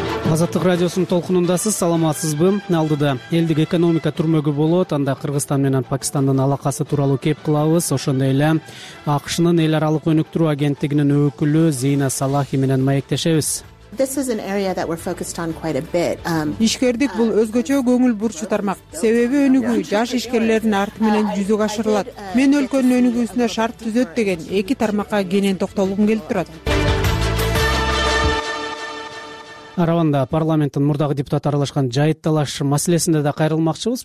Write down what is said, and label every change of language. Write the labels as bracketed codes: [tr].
[ky] Азаттык радиосунун толкунундасыз, саламатсызбы? Алдыда элдик экономика түрмөгү болот, анда Кыргызстан менен Пакистандын алакасы тууралуу кеп кылабыз. Ошондой эле АКШнын эл аралык өнүктүрүү агенттигинин өкүлү Зейна Салахи менен маектешебиз. [en] This is an area that we're focused on quite a bit. [ky] Ишкердик бул өзгөчө көңүл бурчу тармак. Себеби өнүгүү жаш ишкерлердин арты менен жүзөгө ашырылат. Мен өлкөнүн өнүгүүсүнө шарт түзөт деген эки тармакка кенен токтолгум келип турат. Араванда парламенттин мурдагы депутаты аралашкан жайыт талаш маселесинде да кайрылмакчыбыз.